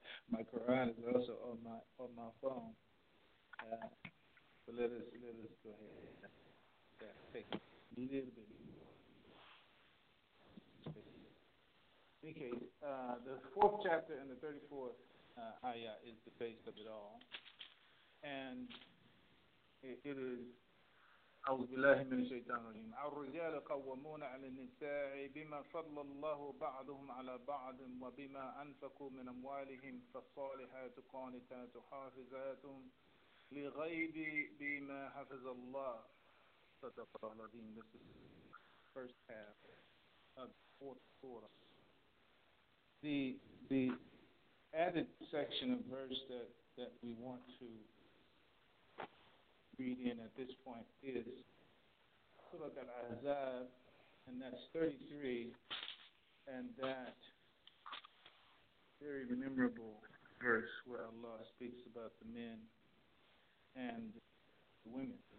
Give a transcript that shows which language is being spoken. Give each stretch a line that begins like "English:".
English: My Quran is also on my phone. But let us go ahead. Yeah, take a little bit. In any case, the fourth chapter and the 34th ayah is the base of it all, and it is.
Arabic: أعوذ بالله من الشيطان الرجيم الرجال قوامون على النساء بما فضل الله بعضهم على بعض وبما أنفقوا من أموالهم فالصالحات قانتات حافظات لغيب بما حفظ الله صدق الله العظيم.
English: This is the first half of the fourth surah. The added section of verse that we want to read in at this point is Surah Al-Ahzab, and that's 33, and that very memorable verse where Allah speaks about the men and the women.